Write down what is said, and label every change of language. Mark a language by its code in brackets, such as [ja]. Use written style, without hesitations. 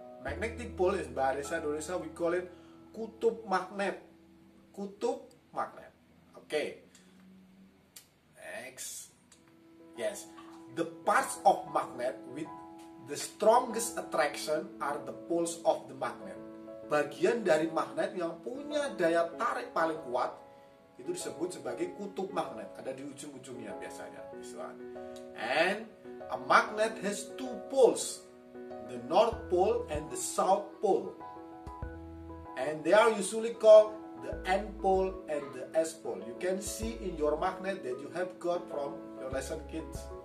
[en] Magnetic pole is bahasa Indonesia, we call it [id] kutub magnet. Kutub magnet. [en] Okay, next. Yes, the parts of magnet with the strongest attraction are the poles of the magnet. [id] Bagian dari magnet yang punya daya tarik paling kuat itu disebut sebagai kutub magnet, ada di ujung-ujungnya biasanya. [en] This one. And a magnet has two poles, the north pole and the south pole, and they are usually called the N pole and the S pole. You can see in your magnet that you have got from your lesson kids.